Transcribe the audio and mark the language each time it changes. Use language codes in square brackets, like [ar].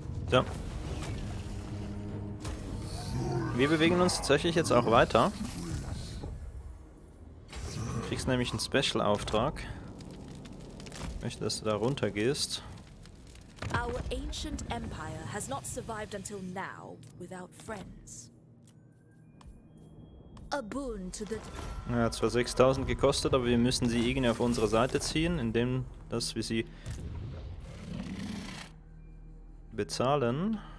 [de] So. Wir bewegen uns tatsächlich jetzt auch weiter. Du kriegst nämlich einen Special-Auftrag. Ich möchte, dass du da runter gehst. [en] Our ancient empire has not survived until now without friends. A boon to the. [de] Ja, zwar 6000 gekostet, aber wir müssen sie irgendwie auf unsere Seite ziehen, indem dass wir sie bezahlen.